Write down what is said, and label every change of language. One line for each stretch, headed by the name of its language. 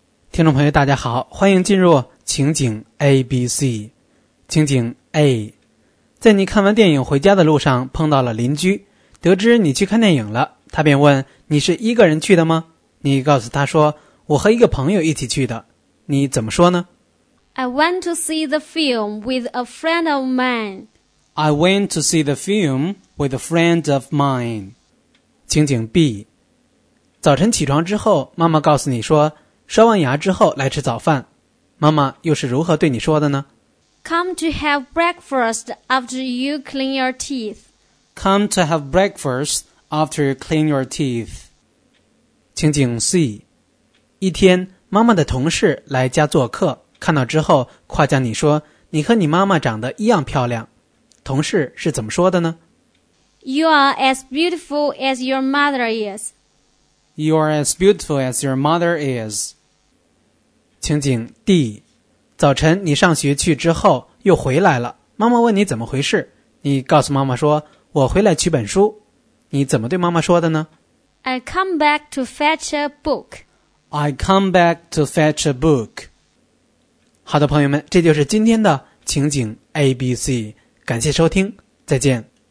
Chinese: 听众朋友大家好，欢迎进入情景 ABC。情景 A， 在你看完电影回家的路上碰到了邻居，得知你去看电影了，他便问你是一个人去的吗？你告诉他说我和一个朋友一起去的，你怎么说呢？
English: I went to see the film with a friend of mine. I went to see the film with a friend of mine.
Chinese: 情景 B， 早晨起床之后，妈妈告诉你说刷完牙之后来吃早饭，妈妈又是如何对你说的呢？
English: Come to have breakfast after you clean your teeth. Come to have breakfast after you clean your teeth.
Chinese: 情景 C， 一天妈妈的同事来家做客，看到之后夸奖你说你和你妈妈长得一样漂亮，同事是怎么说的呢？
English: You are as beautiful as your mother is. You are as beautiful as your mother is.
Chinese: 情景 D， 早晨你上学去之后又回来了，妈妈问你怎么回事，你告诉妈妈说我回来取本书，你怎么对妈妈说的呢？
English: I come back to fetch a book. I come back to fetch a book.
Chinese: 好的朋友们，这就是今天的情景 ABC， 感谢收听，再见。